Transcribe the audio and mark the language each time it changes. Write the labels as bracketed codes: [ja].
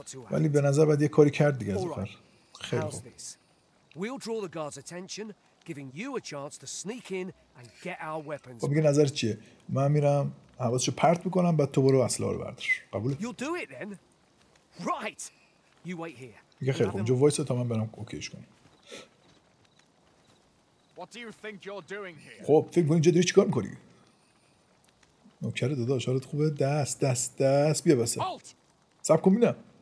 [fa] ولی به نظر بعد یه کاری کرد دیگه از آخر. خیلی خوب. [en] We'll draw the guards' attention, giving you a chance to sneak in and get our weapons. [fa] خب میگه نظر چیه؟ من میرم حواسشو پرت میکنم بعد تو برو اسلحه رو بردار. قبوله؟ [en] You'll do it then. Right. You wait here. [fa] میگه خیلی خوب، اونجا وایس تا من برم اوکیش کنم. [en] What do you think you're doing here? [fa] خب فکر می‌کنی اینجا داری چیکار می‌کنی؟ نوکر داداش، حالت خوبه؟ دست دست دست بیا بس. صبر کن ببینم.